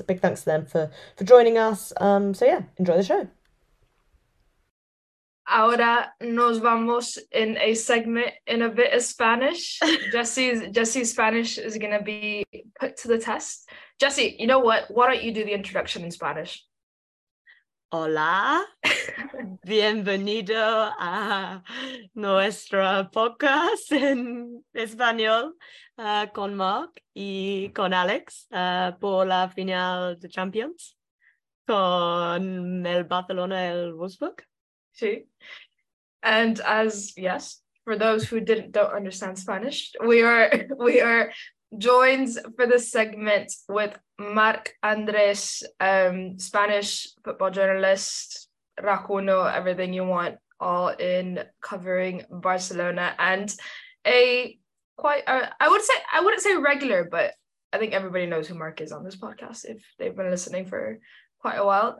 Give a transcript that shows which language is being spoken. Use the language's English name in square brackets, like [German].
[English] A big thanks to them for joining us. So yeah, enjoy the show. [Spanish] Ahora nos vamos [English] in a segment in a bit of Spanish. Jesse's Spanish is going to be put to the test. Jesse, you know what? Why don't you do the introduction in Spanish? [Spanish] Hola. Bienvenido a nuestra podcast en español con Marc y con Alex por la final de Champions con el Barcelona el Wolfsburg. Sí. [English] And as, yes, for those who don't understand Spanish, we are joined for this segment with Marc Andrés, Spanish football journalist, racuno, everything you want, all in covering Barcelona, and I wouldn't say regular, but I think everybody knows who Marc is on this podcast if they've been listening for quite a while.